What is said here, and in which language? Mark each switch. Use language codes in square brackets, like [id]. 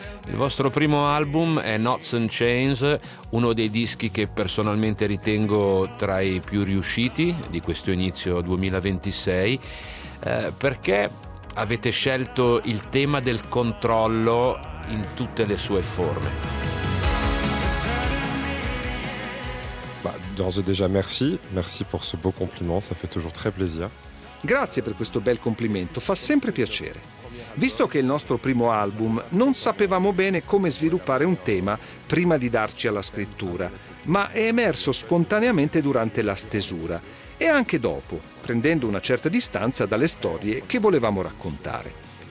[it] vostro primo album è Knots and Chains, uno dei dischi che personalmente ritengo tra i più riusciti di questo inizio 2026. Perché avete scelto il tema del controllo in tutte le sue forme? [fr] D'ores et déjà, merci. Merci pour ce beau compliment, ça fait toujours très plaisir. [it] Grazie per questo bel complimento, fa sempre piacere. Visto che è il nostro primo album, non sapevamo bene come sviluppare un tema prima di darci alla scrittura, ma è emerso spontaneamente durante la stesura e anche dopo, prendendo una certa distanza dalle storie che volevamo raccontare.